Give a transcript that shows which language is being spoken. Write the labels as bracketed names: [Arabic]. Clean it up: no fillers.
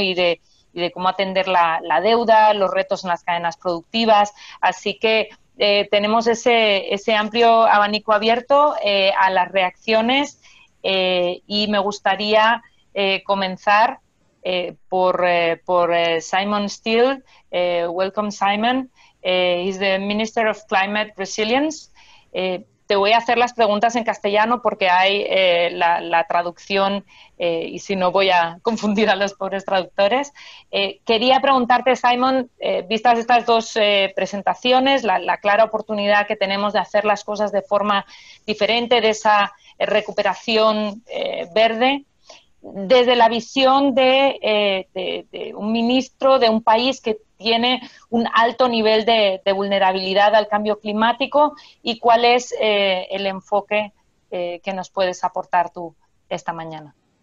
[Spanish] y de cómo atender la deuda, los retos en las cadenas productivas. Así que tenemos ese amplio abanico abierto a las reacciones y me gustaría comenzar por Simon Steele. [English] Welcome, Simon. He's the Minister of Climate Resilience. [Spanish] Te voy a hacer las preguntas en castellano porque hay la traducción y si no voy a confundir a los pobres traductores. Quería preguntarte, Simon, vistas estas dos presentaciones, la clara oportunidad que tenemos de hacer las cosas de forma diferente, de esa recuperación verde, desde la visión de un ministro de un país que tiene un alto nivel de vulnerabilidad al cambio climático, ¿y cuál es el enfoque que nos puedes aportar tú esta mañana?